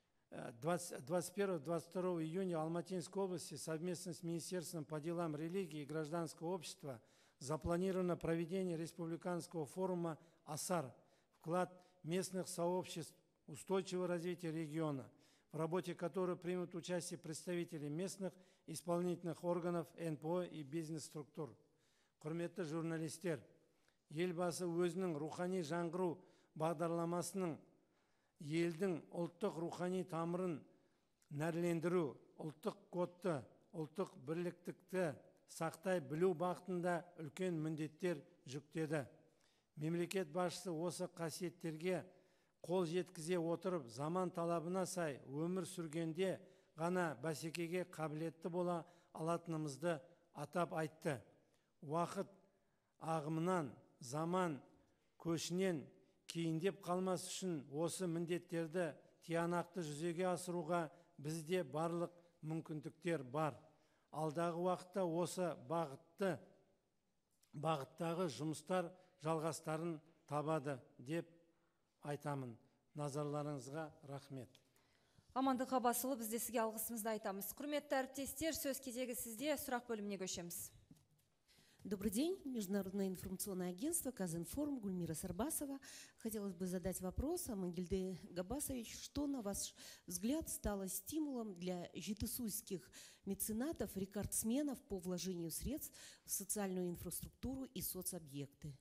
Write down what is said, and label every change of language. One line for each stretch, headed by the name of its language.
Russian: 21-22 июня Алматинской области совместно с Министерством по делам религии и гражданского общества запланировано проведение республиканского форума «АСАР. Вклад местных сообществ устойчивого развития региона», в работе которой примут участие представители местных исполнительных органов, НПО и бизнес-структур.
Kazakh: Құрметті журналистер, елбасы өзінің рухани жаңғыру бағдарламасының елдің ұлттық рухани тамырын нәрлендіру, ұлттық кодты, ұлттық бірліктікті сақтай білу бағытында үлкен міндеттер жүктеді. Мемлекет басшысы осы қасиеттерге қол жеткізе отырып, заман талабына сай өмір сүргенде ғана бәсекеге қабілетті бола алатынымызды атап айтты. Уақыт ағымынан, заман көшінен кейіндеп қалмас үшін осы міндеттерді тиянақты жүзеге асыруға бізде барлық мүмкіндіктер бар. Алдағы уақытта осы бағыттағы жұмыстар жалғастарын табады деп айтамын. Назарларыңызға рахмет. Амандыққа басылып, бізде сізге алғысымызды айтамыз. Құрметті әріптестер, сөз кезегі сізде, сұрақ бөліміне көшеміз.
Russian: Добрый день, Международное информационное агентство «Казинформ», Гульмира Сарбасова. Хотелось бы задать вопрос Амангельде Габасович. Что, на ваш взгляд, стало стимулом для жетысуйских меценатов, рекордсменов по вложению средств в социальную инфраструктуру и соцобъекты?